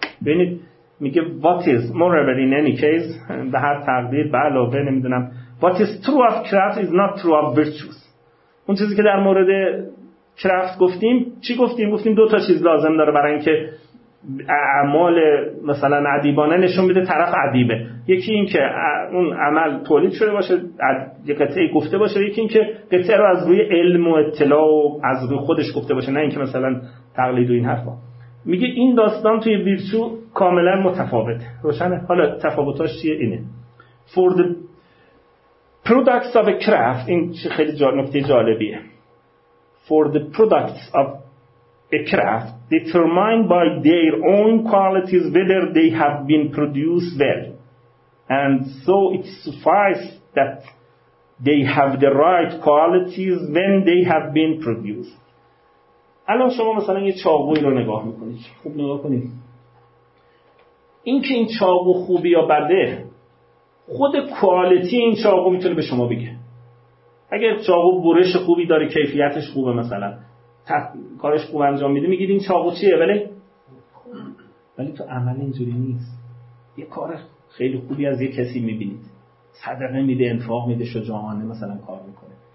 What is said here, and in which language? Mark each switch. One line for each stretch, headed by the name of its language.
Persian: ببینید میگه
English: what is moreover in any case،
Persian: به هر تقدیر به علاوه نمیدونم،
English: what is true of craft is not true of virtues،
Persian: اون چیزی که در مورد کرافت گفتیم چی گفتیم؟ گفتیم دو تا چیز لازم داره برای اینکه اعمال مثلا ادیبانه نشون بده طرف ادیبه، یکی این که اون عمل تولید شده باشه، یک قطعه گفته باشه، یکی این که قطعه رو از روی علم و اطلاع و از روی خودش گفته باشه، نه اینکه مثلا تقلید و این حرفا. میگه این داستان توی ویرچو کاملا متفاوته، روشنه؟ حالا تفاوتاش چیه؟ اینه
English: for the products of a craft،
Persian: این خیلی نکته جالبیه،
English: for the products of a craft determined by their own qualities whether they have been produced well and so it suffices that they have the right qualities when they have been produced.
Persian: الان شما مثلا یه چاقوی رو نگاه میکنید، خوب نگاه کنید، این که این چاقو خوبی یا بده، خود کوالیتی این چاقو میتونه به شما بگه. اگر چاقو برش خوبی داره، کیفیتش خوبه، مثلا کارش خوب انجام میده، میگید این چاقو چیه؟ ولی تو عمل اینجوری نیست، یه کار خیلی خوبی از یه کسی میبینید، صدقه میده، انفاق میده، شجاعانه مثلا کار میکنه،